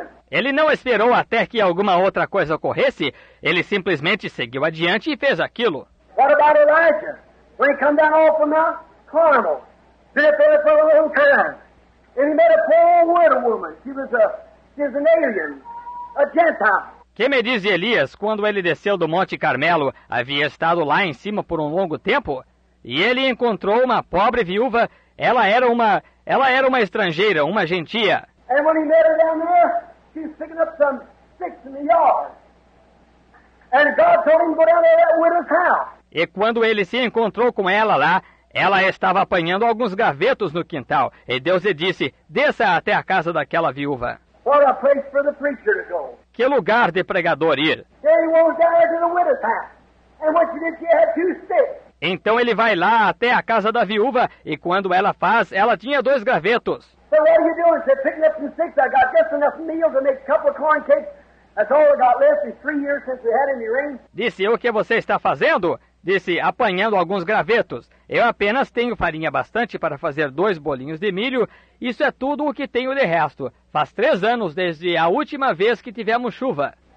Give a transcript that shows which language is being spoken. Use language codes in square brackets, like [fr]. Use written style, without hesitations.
[pt] Ele não esperou até que alguma outra coisa ocorresse, ele simplesmente seguiu adiante e fez aquilo. [en] What about Elijah? When he come down off of Mount Carmel, there for a long time. And he met a poor widow woman. She was an alien, a Gentile. [pt] Que me diz Elias quando ele desceu do Monte Carmelo? Havia estado lá em cima por um longo tempo? E ele encontrou uma pobre viúva. Ela era uma estrangeira, uma gentia. [en] And when he met her down there, she was picking up some sticks in the yard. And God told him to go down to that widow's house. [pt] E quando ele se encontrou com ela lá, ela estava apanhando alguns gavetos no quintal. E Deus lhe disse, desça até a casa daquela viúva. [en] What a place for the preacher to go. [pt] Que lugar de pregador ir. [en] Then he went down to the widow's house. And what she did, she had two sticks. [pt] Então ele vai lá até a casa da viúva, e quando ela faz, ela tinha dois gavetos. [en] So what are you doing? She said, picking up some sticks. I got just enough meal to make a couple of corn cakes. That's all I got left. It's 3 years since we had any rain. [pt] Disse, o que você está fazendo? Disse, apanhando alguns gravetos. Eu apenas tenho farinha bastante para fazer dois bolinhos de milho. Isso é tudo o que tenho de resto. Faz 3 anos desde a última vez que tivemos chuva.